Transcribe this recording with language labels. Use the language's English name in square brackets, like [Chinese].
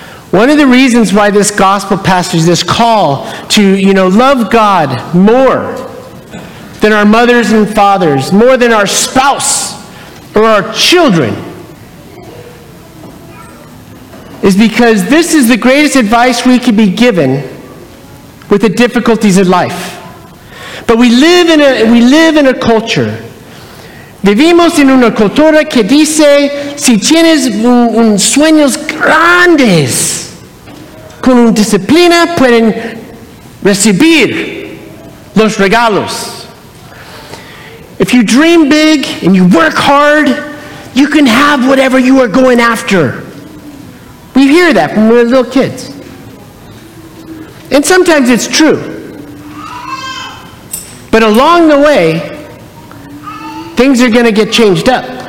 [English] One of the reasons why this gospel passage, this call to, you know, love God more than our mothers and fathers, more than our spouse or our children, is because this is the greatest advice we could be given with the difficulties of life. But we live in a culture. [Spanish] Vivimos en una cultura que dice, si tienes sueños grandes, con disciplina pueden recibir los regalos. [English] If you dream big and you work hard, you can have whatever you are going after. We hear that when we're little kids. And sometimes it's true. But along the way, things are going to get changed up.